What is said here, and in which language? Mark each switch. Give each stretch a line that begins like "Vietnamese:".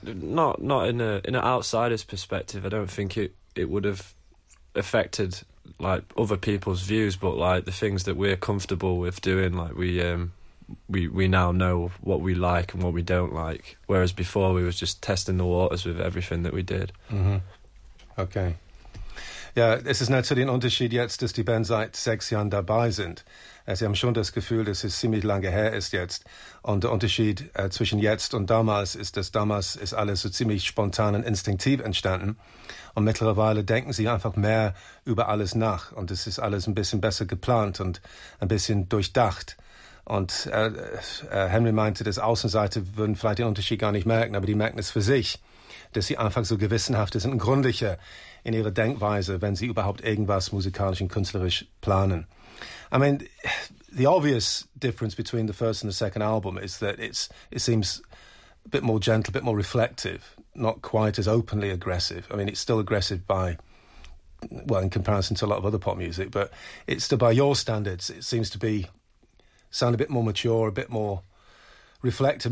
English: I mean, not in an outsider's perspective. I don't think it would have affected, like, other people's views, but, like, the things that we're comfortable with doing, like, we now know what we like and what we don't like, whereas before we was just testing the waters with everything that we did. Mm-hmm. Okay.
German: Ja, es ist natürlich ein Unterschied jetzt, dass die Band seit 6 Jahren dabei sind. Sie haben schon das Gefühl, dass es ziemlich lange her ist jetzt. Und der Unterschied zwischen jetzt und damals ist, dass damals ist alles so ziemlich spontan und instinktiv entstanden. Und mittlerweile denken sie einfach mehr über alles nach. Und es ist alles ein bisschen besser geplant und ein bisschen durchdacht. Und Henry meinte, dass Außenseiter würden vielleicht den Unterschied gar nicht merken, aber die merken es für sich, dass sie einfach so gewissenhaft sind und gründlicher in ihrer Denkweise, wenn sie überhaupt irgendwas musikalisch und künstlerisch planen.
English: I mean, the obvious difference between the first and the second album is that it seems a bit more gentle, a bit more reflective, not quite as openly aggressive. I mean, it's still aggressive in comparison to a lot of other pop music, but it's still, by your standards, it seems to be sound a bit more mature, a bit more reflective.